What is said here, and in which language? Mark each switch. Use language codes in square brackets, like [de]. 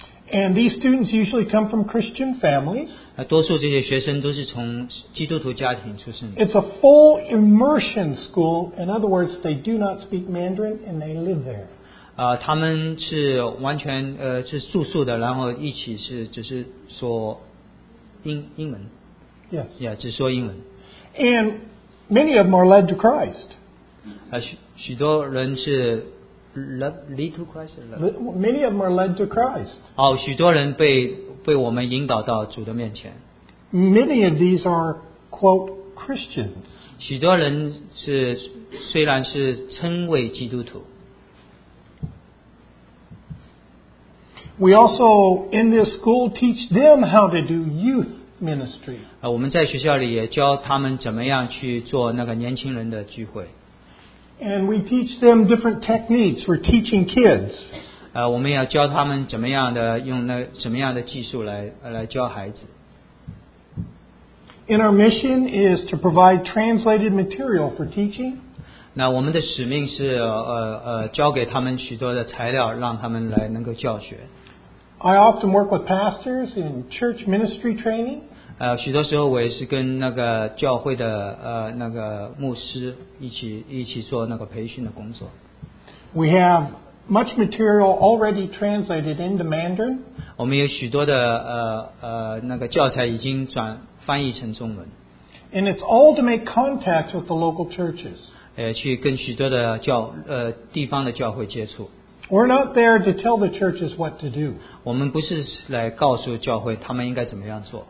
[en] And these students usually come from Christian families. [zh] 多数这些学生都是从基督徒家庭出生。 [en] It's a full immersion school. In other words, they do not speak Mandarin and they live there. [zh] 他们是完全是住宿的，然后一起是只是说英文。 [en] Yes. [zh] Yeah, 只说英文。 [en] And many of them are led to Christ. [zh] 许多人是 [en] lead to Christ. Many of them are led to Christ. [zh] 许多人被我们引导到主的面前。 [en] Many of these are quote Christians. [zh] 许多人是虽然是称为基督徒。 [en] We also in this school teach them how to do youth ministry. [zh] 我们在学校里也教他们怎么样去做那个年轻人的聚会。 [en] And we teach them different techniques for teaching kids. [zh] 我们要教他们怎么样的用那什么样的技术来教孩子。 [en] And our mission is to provide translated material for teaching. [zh] 那我们的使命是交给他们许多的材料，让他们来能够教学。 [en] I often work with pastors in church ministry training. [zh] 许多时候我也是跟那个教会的那个牧师一起做那个培训的工作。 [en] We have much material already translated into Mandarin. [zh] 我们有许多的那个教材已经翻译成中文。 [en] And it's all to make contact with the local churches. [zh] 去跟许多的地方的教会接触。 [en] We're not there to tell the churches what to do. [zh] 我们不是来告诉教会他们应该怎么样做。